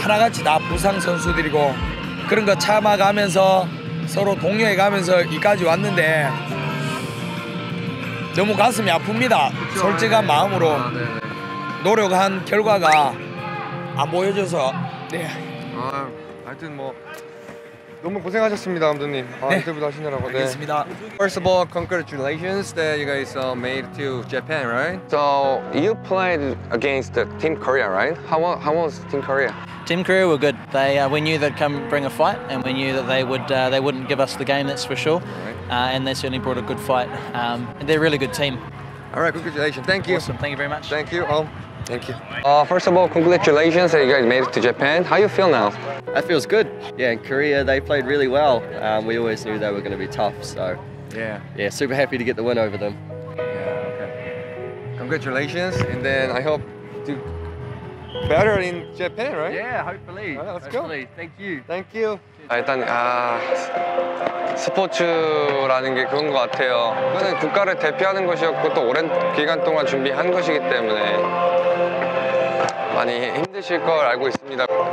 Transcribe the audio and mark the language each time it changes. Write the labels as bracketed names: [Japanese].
[Korean] 하나같이 다 부상 선수들이고 그런 거 참아가면서 서로 동료해가면서 여기까지 왔는데 너무 가슴이 아픕니다. 그쵸? 솔직한 마음으로 노력한 결과가 안 보여져서 네. 아, 하여튼 뭐 너무 고생하셨습니다, 감독님. 아, 네. 이때부터 하시느라고. 알겠습니다. 네. [English] First of all, congratulations that you guys made it to Japan, right? So you played against Team Korea, right? How was Team Korea? Team Korea were good. They, we knew they'd come bring a fight, and we knew that they would they wouldn't give us the game, that's for sure. And they certainly brought a good fight. And they're a really good team. All right, congratulations. Thank you. Awesome. Thank you very much. Thank you. Thank you. First of all, congratulations that you guys made it to Japan. How you feel now? That feels good. Yeah, in Korea, they played really well. We always knew they were going to be tough, so. Yeah, super happy to get the win over them. Yeah, okay. Congratulations, and then I hope to better in Japan, right? Yeah, hopefully. Right, let's hopefully. Go. Thank you. Thank you. [Korean] 아, 일단 아, 스포츠라는 게 그런 것 같아요. 이거는 국가를 대표하는 것이었고 또 오랜 기간 동안 준비한 것이기 때문에 많이 힘드실 걸 알고 있습니다.